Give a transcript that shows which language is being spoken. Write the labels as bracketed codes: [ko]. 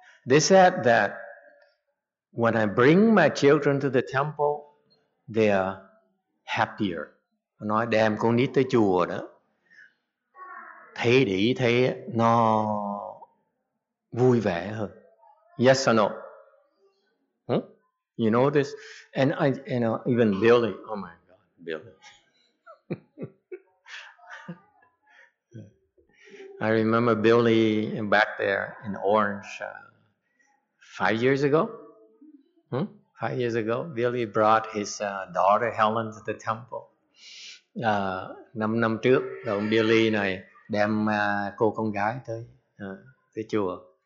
[en] They said that when I bring my children to the temple, they are happier. [vi] Nói đem con nít tới chùa đó, thấy để ý thấy nó vui vẻ hơn. [en] Yes or no? You know this? And I, you know, even Billy. Oh my God, Billy. I remember Billy back there in Orange 5 years ago. 5 years ago, Billy brought his daughter Helen to the temple. [vi] Năm năm trước, ông Billy này đem cô con gái tới tới chùa.